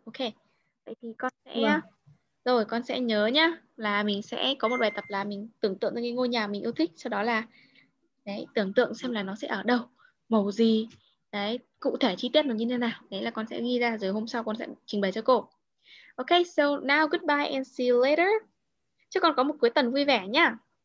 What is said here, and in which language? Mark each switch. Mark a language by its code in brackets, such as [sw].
[vi] Ok. Vậy thì con sẽ Vâng. rồi con sẽ nhớ nhá, là mình sẽ có một bài tập là mình tưởng tượng ra cái ngôi nhà mình yêu thích, sau đó là đấy tưởng tượng xem là nó sẽ ở đâu, màu gì, đấy cụ thể chi tiết nó như thế nào, đấy là con sẽ ghi ra rồi hôm sau con sẽ trình bày cho cô. [en] Ok, so now goodbye and see you later. [vi] Chúc con có một cuối tuần vui vẻ nhá.